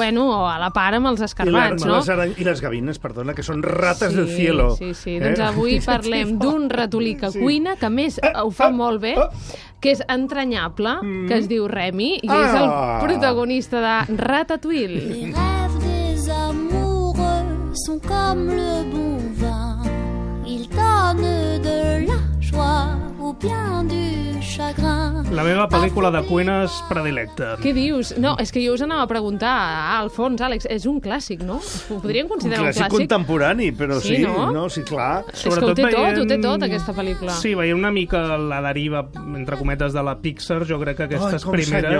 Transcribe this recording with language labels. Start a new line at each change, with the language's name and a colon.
Catalan: Bueno, o a la part amb els escarbats, no? I les gavines, perdona, que són rates
Spanish: del cielo.
Catalan: Sí, sí. Doncs avui parlem d'un ratolí que cuina, que a més ho fa molt bé, que és entranyable, que es diu Remy, i és el protagonista de Ratatouille.
French: Les rêves des amoureux sont comme le bon vin. Ils donnent de la joie ou bien du chagrin.
Catalan: La meva pel·lícula de cuines predilecta. Què dius? No, és que jo us anava a preguntar, Alfons, Àlex, és un clàssic, no? Ho podríem considerar un clàssic? Un clàssic contemporani, però sí, sí, no? No, sí, clar. Sobretot és que ho té tot, aquesta pel·lícula. Sí, veiem una mica la deriva, entre cometes, de la Pixar, jo crec que aquestes primeres...